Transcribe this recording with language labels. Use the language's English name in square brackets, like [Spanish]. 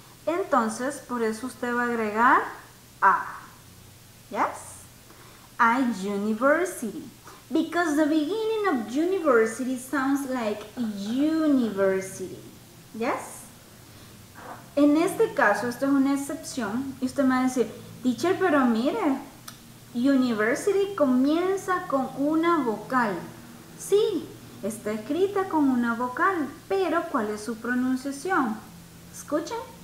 [Spanish] Entonces, por eso usted va a agregar A. [English] Yes? A university. Because the beginning of university sounds like university. Yes? [Spanish] En este caso, esto es una excepción. Y usted me va a decir, teacher, pero mire, university comienza con una vocal. Sí, está escrita con una vocal. Pero, ¿cuál es su pronunciación? Escuchen.